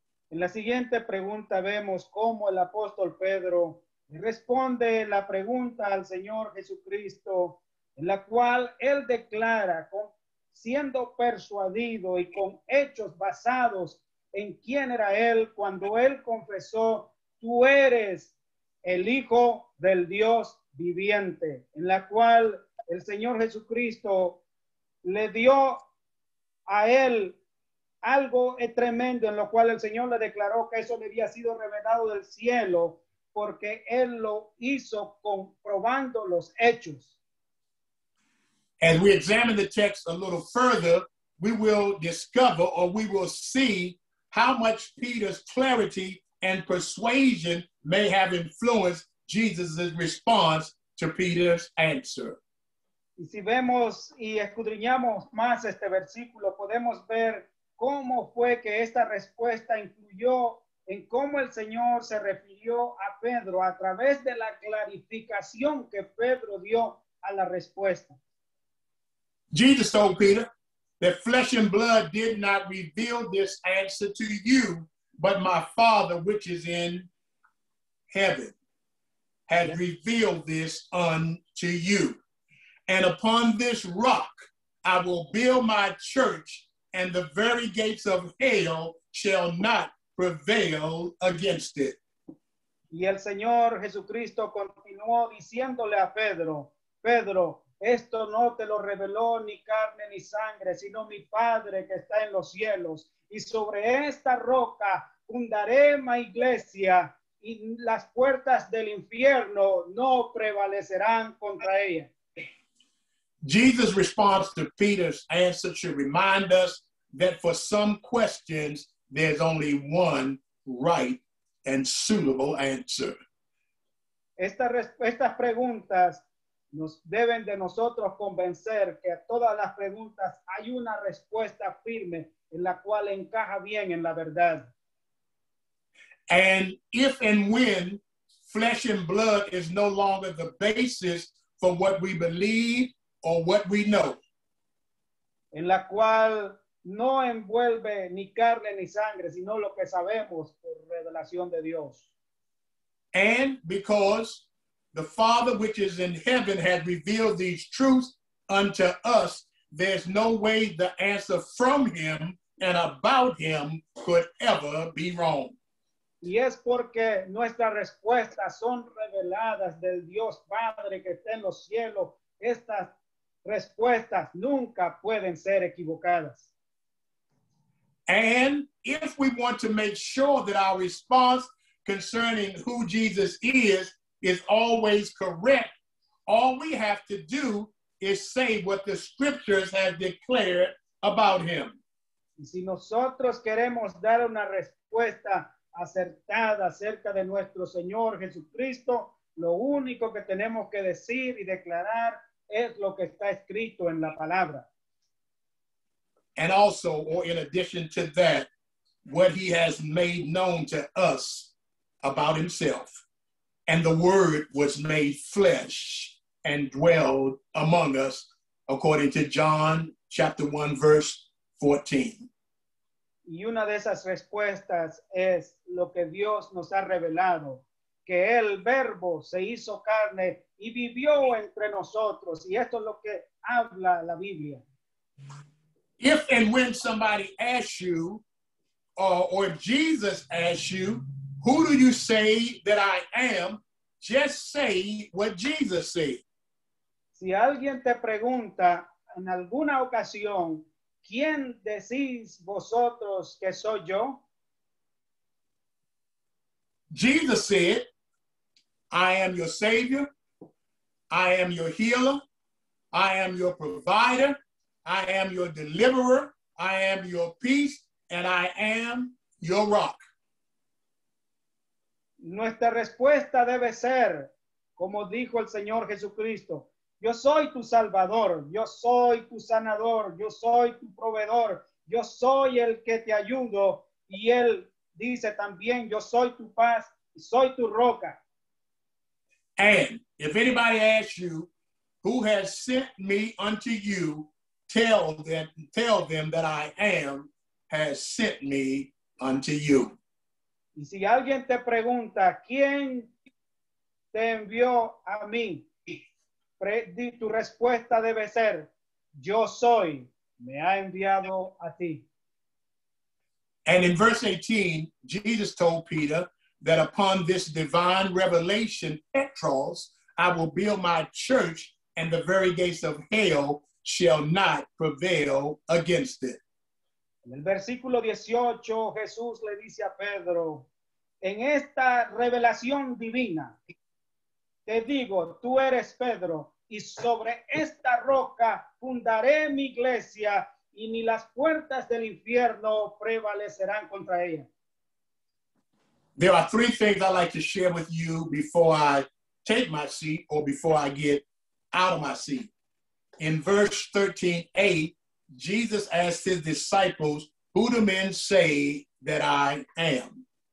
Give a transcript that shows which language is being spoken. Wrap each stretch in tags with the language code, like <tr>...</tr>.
<es>En la siguiente pregunta vemos cómo el apóstol Pedro responde la pregunta al Señor Jesucristo, en la cual él declara, siendo persuadido y con hechos basados en quién era él, cuando él confesó, tú eres el Hijo del Dios viviente, en la cual el Señor Jesucristo le dio a él algo tremendo, en lo cual el Señor le declaró que eso le había sido revelado del cielo, porque él lo hizo comprobando los hechos.</es> <en>As we examine the text a little further, we will discover or we will see how much Peter's clarity and persuasion may have influenced Jesus' response to Peter's answer.</en> <es>Y si vemos y escudriñamos más este versículo, podemos ver cómo fue que esta respuesta influyó en cómo el Señor se refirió a Pedro a través de la clarificación que Pedro dio a la respuesta.</es> <en>Jesus told Peter that flesh and blood did not reveal this answer to you, but my Father, which is in heaven, has revealed this unto you. And upon this rock I will build my church, and the very gates of hell shall not prevail against it.</en> <es>Y el Señor Jesucristo continuó diciéndole a Pedro, Pedro, esto no te lo reveló ni carne ni sangre, sino mi Padre que está en los cielos. Y sobre esta roca fundaré mi iglesia, y las puertas del infierno no prevalecerán contra ella.</es> <en>Jesus' response to Peter's answer should remind us that for some questions, there's only one right and suitable answer.</en> <es>Estas preguntas nos deben de nosotros convencer que a todas las preguntas hay una respuesta firme en la cual encaja bien en la verdad.</es> <en>And if and when flesh and blood is no longer the basis for what we believe or what we know,</en> <es>en la cual no envuelve ni carne ni sangre, sino lo que sabemos por revelación de Dios.</es> <en>And because the Father which is in heaven has revealed these truths unto us, there's no way the answer from him and about him could ever be wrong.</en> <es>Y es porque nuestras respuestas son reveladas del Dios Padre que está en los cielos. Estas respuestas nunca pueden ser equivocadas.</es> <en>And if we want to make sure that our response concerning who Jesus is always correct. All we have to do is say what the scriptures have declared about him.</en> <es>Y si nosotros queremos dar una respuesta acertada acerca de nuestro Señor Jesucristo, lo único que tenemos que decir y declarar es lo que está escrito en la palabra.</es> <en>And also, or in addition to that, what he has made known to us about himself. And the word was made flesh and dwelled among us, according to John chapter 1, verse 14.</en> <es>Y una de esas respuestas es lo que Dios nos ha revelado, que el verbo se hizo carne y vivió entre nosotros. Y esto es lo que habla la Biblia.</es> <en>If and when somebody asks you, or if Jesus asks you, who do you say that I am? Just say what Jesus said.</en> <es>Si alguien te pregunta en alguna ocasión, ¿quién decís vosotros que soy yo?</es> <en>Jesus said, I am your Savior. I am your healer. I am your provider. I am your deliverer. I am your peace. And I am your rock.</en> <es>Nuestra respuesta debe ser, como dijo el Señor Jesucristo, yo soy tu salvador, yo soy tu sanador, yo soy tu proveedor, yo soy el que te ayudo, y él dice también, yo soy tu paz, soy tu roca.</es> <en>And if anybody asks you, who has sent me unto you, tell them that I am, has sent me unto you.</en> <es>Y si alguien te pregunta, ¿quién te envió a mí? Tu respuesta debe ser, yo soy, me ha enviado a ti.</es> <en>And in verse 18, Jesus told Peter that upon this divine revelation, Petros, I will build my church and the very gates of hell shall not prevail against it.</en> <es>En el versículo 18, Jesús le dice a Pedro, en esta revelación divina, te digo, tú eres Pedro, y sobre esta roca fundaré mi iglesia, y ni las puertas del infierno prevalecerán contra ella.</es> <en>There are three things I'd like to share with you before I take my seat, or before I get out of my seat. In verse 13a, Jesus asked his disciples, who do men say that I am?</en>